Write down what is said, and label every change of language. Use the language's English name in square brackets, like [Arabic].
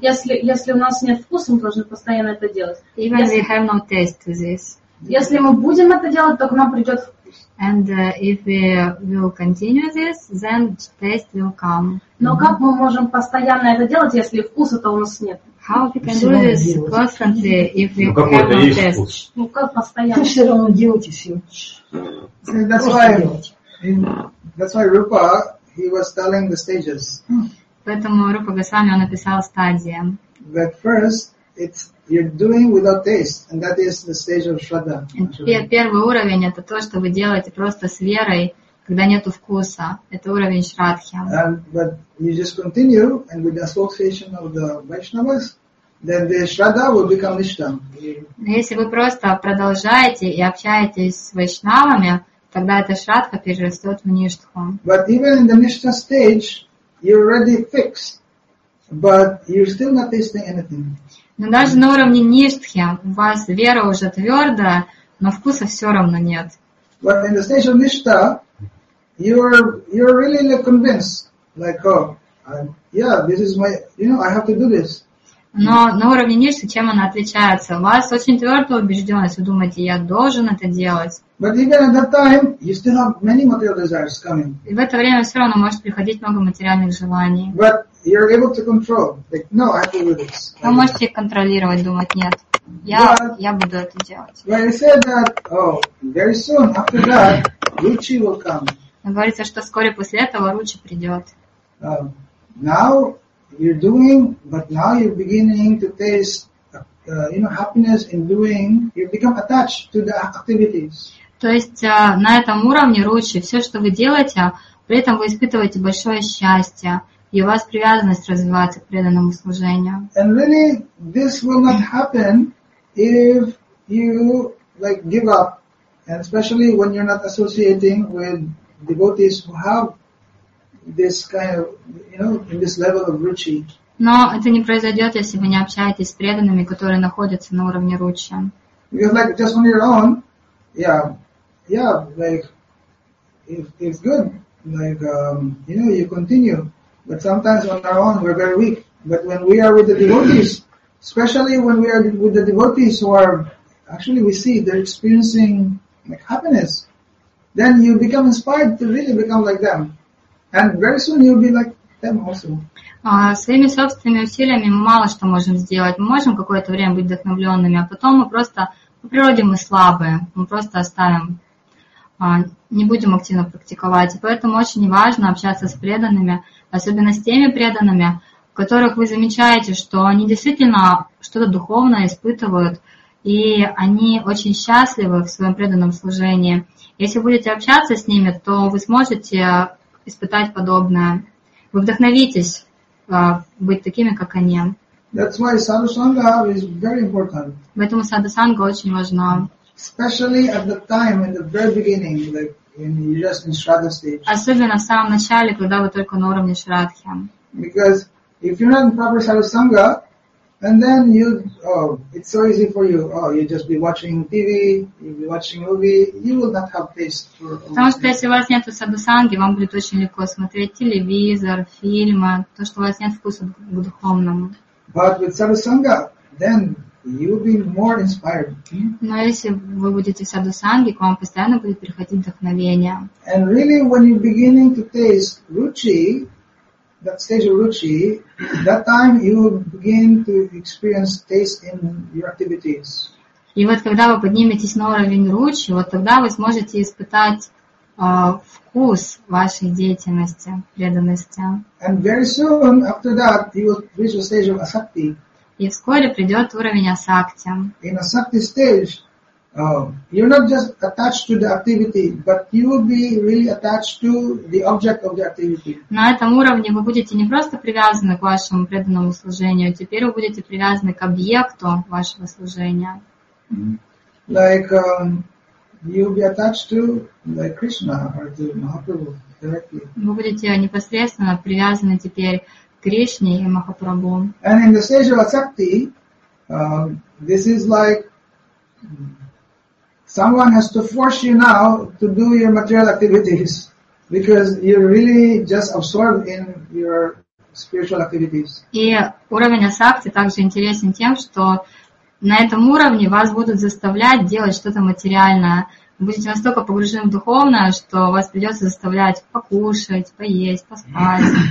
[Russian] Если у нас нет вкуса, мы должны постоянно это делать. [English] Even we have no taste to this. [Russian] Если мы будем это делать, то к нам придет вкус. [English] And if we will continue this, then taste will come. [Russian] Но как мы можем постоянно это делать, если вкуса-то у нас нет? [English] How we can do this constantly, if we have no taste? [Russian] Ну как постоянно? Все равно делайте все. [English] That's why Rupa, he was telling the stages. [Russian] Поэтому Рупа Госвами, он написал стадии. [English] That first, it's you're doing without taste, and that is the stage of Shraddha. [Russian] Первый уровень это то, что вы делаете просто с верой, когда нету вкуса. Это уровень Шраддхи. [English] But you just continue, and with the association of the Vaishnavas, then the Shraddha will become Nishtha. [Russian] Если вы просто продолжаете и общаетесь с Вайшнавами, тогда эта Шраддха перерастет в Ништху. [English] But even in the Nishtha stage, you're already fixed, but you're still not tasting anything. [Russian] Но даже на уровне ништхи у вас вера уже твердая, но вкуса все равно нет. [English] But in the stage of nishta, you're really convinced, like, oh, yeah, this is my, you know, I have to do this. [Russian] Но на уровне ништхи чем она отличается? У вас очень твердая убежденность, вы думаете, я должен это делать. [English] But even at that time, you still have many material desires coming. [Russian] И в это время все равно может приходить много материальных желаний. [English] But you're able to control. Like, no, I can do this. [Russian] Вы можете контролировать, думать, нет, я буду это делать. [English] When you say that, oh, very soon after that, Ruchi will come. [Russian] Но говорится, что вскоре после этого Ruchi придет. [English] Now you're doing, but now you're beginning to taste, you know, happiness in doing. You become attached to the activities. [Russian] То есть на этом уровне Ruchi все, что вы делаете, при этом вы испытываете большое счастье. И у вас привязанность развивается к преданному служению. [English] And really, this will not happen if you like give up, and especially when you're not associating with devotees who have this kind of, you know, in this level of ruchi. [Russian] Но это не произойдет, если вы не общаетесь с преданными, которые находятся на уровне ruchi. [English] Because like just on your own, yeah, like if it's good, like you know, you continue. But sometimes on our own we're very weak. But when we are with the devotees, especially when we are with the devotees who are actually we see they're experiencing like happiness, then you become inspired to really become like them. And very soon you'll be like them also. [Russian] Своими собственными усилиями мы мало что можем сделать. Мы можем какое-то время быть вдохновленными, а потом мы просто по природе мы слабые. Мы просто оставим. Не будем активно практиковать. И поэтому очень важно общаться с преданными, особенно с теми преданными, в которых вы замечаете, что они действительно что-то духовное испытывают, и они очень счастливы в своем преданном служении. Если будете общаться с ними, то вы сможете испытать подобное. Вы вдохновитесь быть такими, как они. [English] That's why sadhusanga is very important. [Russian] Поэтому садхусанга очень важна. [English] Especially at the time in the very beginning, like when you're just in Shraddha stage. [Russian] Особенно в самом начале, когда вы только на уровне Шраддхи. [English] Because if you're not in proper Sarasanga, and then it's so easy for you. Oh, you just be watching TV, you'll be watching movie, you will not have taste for all. [Russian] Потому что если у вас нету садхусанги, вам будет очень легко смотреть телевизор, фильмы, то, что у вас нет вкуса к духовному. [English] But with Sarasanga, then you'll be more inspired. [Russian] Но если вы будете в садхусанге, к вам постоянно будет приходить вдохновение. [English] And really, when you're beginning to taste ruchi, that stage of ruchi, that time you begin to experience taste in your activities. [Russian] И вот когда вы подниметесь на уровень ручи, вот тогда вы сможете испытать вкус вашей деятельности, преданности. [English] And very soon after that, you will reach the stage of asakti. [Russian] И вскоре придет уровень асакти. [English] In asakti stage, you're not just attached to the activity, but you will be really attached to the object of the activity. [Russian] На этом уровне вы будете не просто привязаны к вашему преданному служению, теперь вы будете привязаны к объекту вашего служения. [English] Mm-hmm. Like you'll be attached to like Krishna or to Mahaprabhu directly. [Russian] Вы будете непосредственно привязаны теперь к Кришне и Махапрабху. [English] And in the stage of asakti, this is like someone has to force you now to do your material activities because you're really just absorbed in your spiritual activities. [Russian] И уровень асакти также интересен тем, что на этом уровне вас будут заставлять делать что-то материальное. Вы будете настолько погружены в духовное, что вас придется заставлять покушать, поесть, поспать.